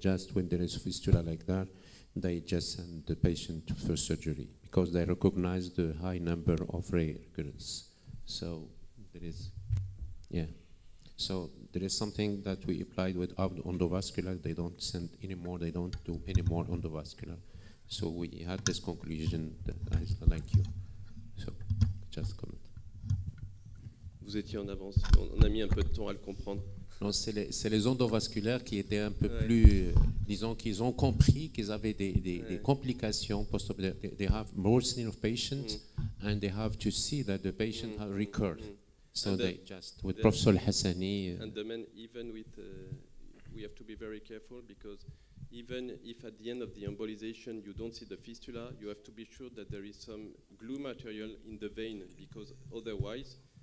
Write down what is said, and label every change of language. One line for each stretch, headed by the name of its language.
English: Just when there is fistula like that, they just send the patient for surgery because they recognize the high number of rare recurrence. So there is, yeah. So there is something that we applied with endovascular. They don't send anymore. They don't do any more endovascular. So we had this conclusion that I like you. So just comment.
French: Vous étiez en avance, on a mis un peu de temps à le comprendre. Non, c'est les endovasculaires qui étaient un peu plus, disons qu'ils ont compris qu'ils avaient des complications post-op.
English: They have worsening of patients and they have to see that the patient has recurred. So they just, with Professor Hassani. And the man, even with, we have to be very careful because even if at the end of the embolization you don't see the fistula, you have to be sure that there is some glue material in the vein because otherwise,